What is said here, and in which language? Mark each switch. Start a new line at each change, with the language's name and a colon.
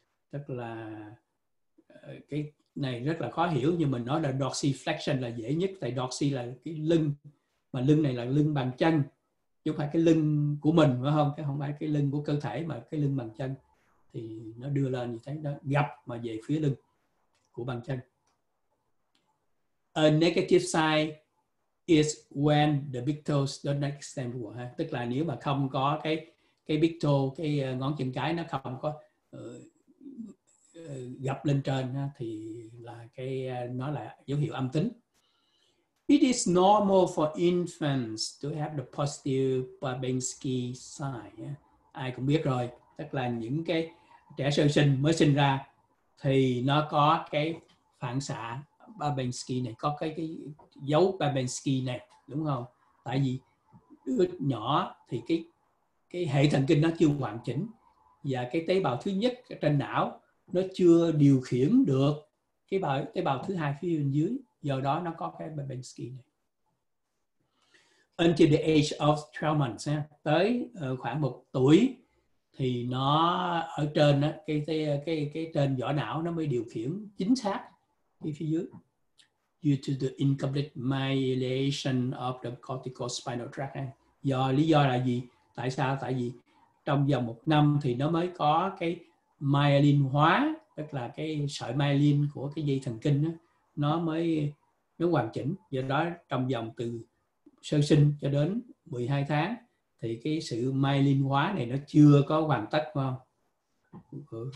Vietnamese: Tức là cái này rất là khó hiểu, nhưng mình nói là dorsiflexion là dễ nhất, tại dorsi là cái lưng, mà lưng này là lưng bàn chân chứ không phải cái lưng của mình, phải không? Cái không phải cái lưng của cơ thể mà cái lưng bàn chân, thì nó đưa lên như thế, nó gập mà về phía lưng của bàn chân.
English: A negative sign is when the big toes don't extend forward, ha?
Vietnamese: Tức là nếu mà không có cái big toe, cái ngón chân cái nó không có gập lên trên ha, thì là cái nó là dấu hiệu âm tính.
English: It is normal for infants to have the positive Babinski sign. Ha?
Vietnamese: Ai cũng biết rồi, tức là những cái trẻ sơ sinh mới sinh ra thì nó có cái phản xạ Babinski này, có cái dấu Babinski này, đúng không? Tại vì đứa nhỏ thì cái hệ thần kinh nó chưa hoàn chỉnh, và cái tế bào thứ nhất trên não nó chưa điều khiển được cái tế bào thứ hai phía bên dưới, do đó nó có cái Babinski này.
English: Until the age of 12 months,
Vietnamese: tới khoảng 1 tuổi thì nó ở trên cái trên vỏ não nó mới điều khiển chính xác phía dưới.
English: Due to the incomplete myelination of the cortical spinal tract.
Vietnamese: Do lý do là gì? Tại sao? Tại vì trong vòng một năm thì nó mới có cái myelin hóa, tức là cái sợi myelin của cái dây thần kinh đó, nó mới hoàn chỉnh. Do đó trong vòng từ sơ sinh cho đến 12 tháng thì cái sự myelin hóa này nó chưa có hoàn tất, không?